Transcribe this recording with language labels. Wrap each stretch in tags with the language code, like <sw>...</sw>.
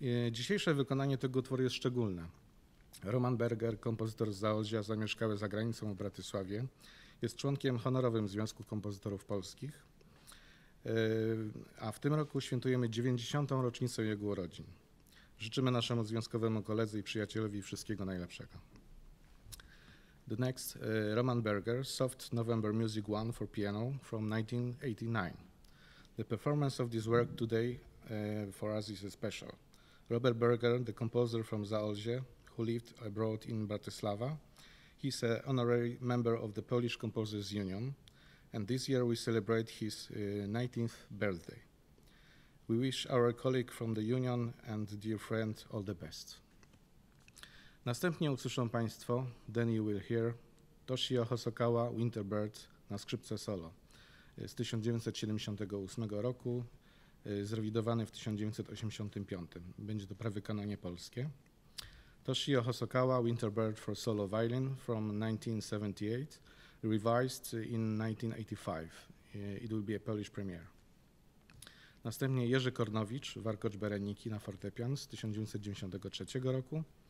<pl>Dzisiejsze wykonanie tego utworu jest szczególne. Roman Berger, kompozytor z Zaolzia, zamieszkały za granicą w Bratysławie, jest członkiem honorowym Związku Kompozytorów Polskich, a w tym roku świętujemy 90. rocznicę jego urodzin. Życzymy naszemu związkowemu koledze i przyjacielowi wszystkiego najlepszego.</pl> <en>The next, Roman Berger, Soft November Music 1 for Piano from 1989. The performance of this work today for us is special. Robert Berger, the composer from Zaolzie, who lived abroad in Bratislava, he's an honorary member of the Polish Composers Union and this year we celebrate his 19th birthday. We wish our colleague from the Union and dear friend all the best.</en> <pl>Następnie usłyszą Państwo,</pl> <en>then you will hear,</en> <pl>Toshio Hosokawa Winterbird na skrzypce solo z 1978 roku, zrewidowany w 1985. Będzie to prawykonanie polskie.</pl> <en>Toshio Hosokawa Winterbird for solo violin from 1978, revised in 1985. It will be a Polish premiere.</en> <pl>Następnie Jerzy Kornowicz, warkocz Bereniki na fortepian z 1993 roku.</pl>